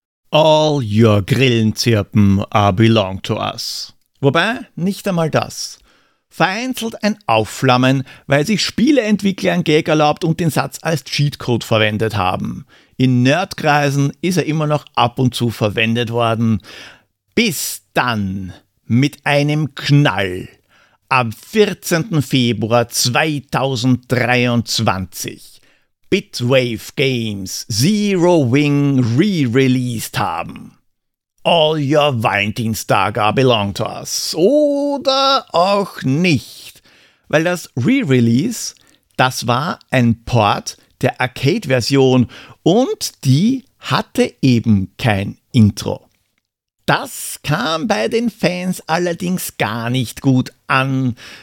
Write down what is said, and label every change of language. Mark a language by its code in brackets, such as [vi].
[en] All your Grillenzirpen are belong to us. [de] Wobei, nicht einmal das. Vereinzelt ein Aufflammen, weil sich Spieleentwickler ein Gag erlaubt und den Satz als Cheatcode verwendet haben. In Nerdkreisen ist er immer noch ab und zu verwendet worden. Bis dann, mit einem Knall, am 14. Februar 2023. Bitwave Games Zero Wing re-released haben. [en] All your Valentinstag are belong to us. [de] Oder auch nicht. Weil das Re-Release, das war ein Port der Arcade-Version und die hatte eben kein Intro. Das kam bei den Fans allerdings gar nicht gut an.